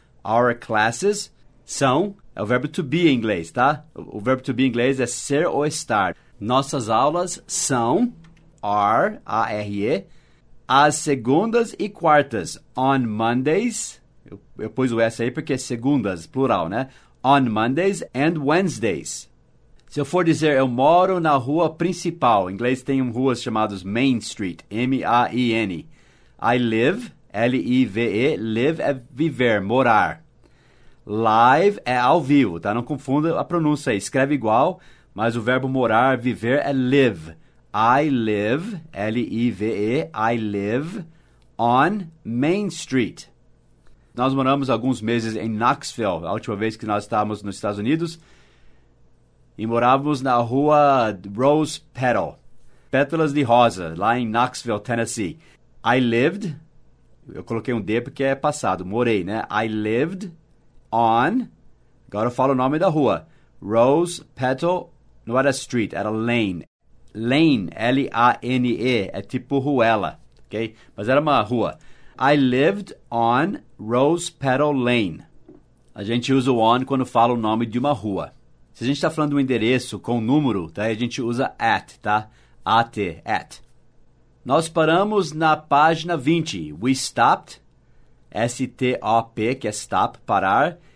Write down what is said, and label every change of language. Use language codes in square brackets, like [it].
[en] Our classes [pt] são, é o verbo to be em inglês, tá? O verbo to be em inglês é ser ou estar. Nossas aulas são, are, A-R-E, as segundas e quartas, [en] on Mondays, [pt] eu pus o S aí porque é segundas, plural, né? [en] On Mondays and Wednesdays. [pt] Se eu for dizer, eu moro na rua principal, em inglês tem ruas chamadas Main Street, M-A-I-N. [en] I live, L-I-V-E, live [pt] é viver, morar. Live é ao vivo, tá? Não confunda a pronúncia aí, escreve igual. Mas o verbo morar, viver, é live. [en] I live, L-I-V-E, I live on Main Street. [pt] Nós moramos alguns meses em Knoxville, a última vez que nós estávamos nos Estados Unidos. E morávamos na rua Rose Petal, Pétalas de Rosa, lá em Knoxville, Tennessee. [en] I lived, [pt] eu coloquei um D porque é passado, morei, né? [en] I lived on, [pt] agora eu falo o nome da rua, Rose Petal. Não era street, era lane. Lane, L-A-N-E, é tipo ruela, ok? Mas era uma rua. [en] I lived on Rose Petal Lane. [pt] A gente usa o on quando fala o nome de uma rua. Se a gente está falando de um endereço com um número, daí a gente usa at, tá? A-T, at. Nós paramos na página 20. [en] We stopped, [pt] S-T-O-P, que é stop, parar.